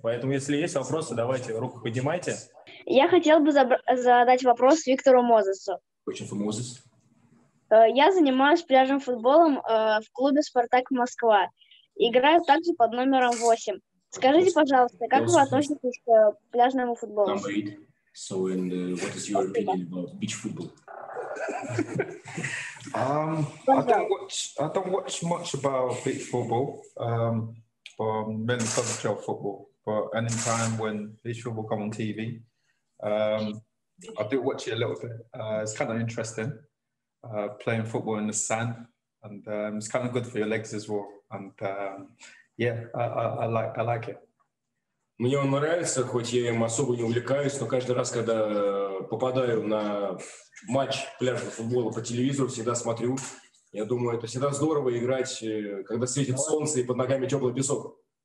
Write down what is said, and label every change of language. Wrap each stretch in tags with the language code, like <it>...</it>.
<ru>Поэтому, если есть вопросы, давайте, руку поднимайте. Я хотел бы задать вопрос Виктору Мозесу. Почему ты Мозес? Я занимаюсь пляжным футболом в клубе «Спартак Москва». Играю также под номером 8. Скажите, пожалуйста, как вы относитесь к пляжному футболу? Там</ru> <en>So, and what is your opinion about beach football? I don't watch much about beach football, but mainly concentrate on football. But any time when beach football come on TV, I do watch it a little bit. It's kind of interesting playing football in the sand, and it's kind of good for your legs as well. And I like it.</en> <ru>Мне он нравится, хоть я им особо не увлекаюсь, но каждый раз, когда попадаю на матч пляжного футбола по телевизору, всегда смотрю. Я думаю, это всегда здорово играть, когда светит солнце и под ногами теплый песок.</ru>